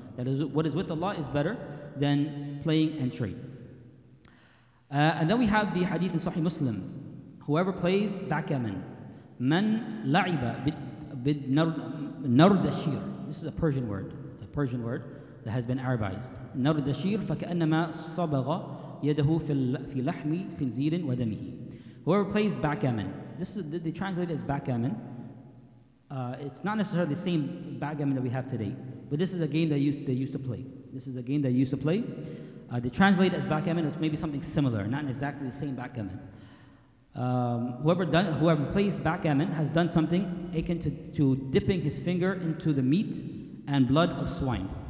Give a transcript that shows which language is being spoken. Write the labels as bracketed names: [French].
[English] That is, what is with Allah is better than playing and trade. And then we have the hadith in Sahih Muslim: whoever plays backgammon, [Arabic] من لعب بد نردشير. [English] This is a Persian word. It's a Persian word that has been Arabized. [Arabic] نردشير فكأنما صبغ يده في لحم خنزير ودمه. [English] Whoever plays backgammon. This is they translate it as backgammon. It's not necessarily the same backgammon that we have today, but this is a game that they used to play. They translate it as backgammon. It's maybe something similar, not exactly the same backgammon. Whoever plays backgammon has done something akin to dipping his finger into the meat and blood of swine.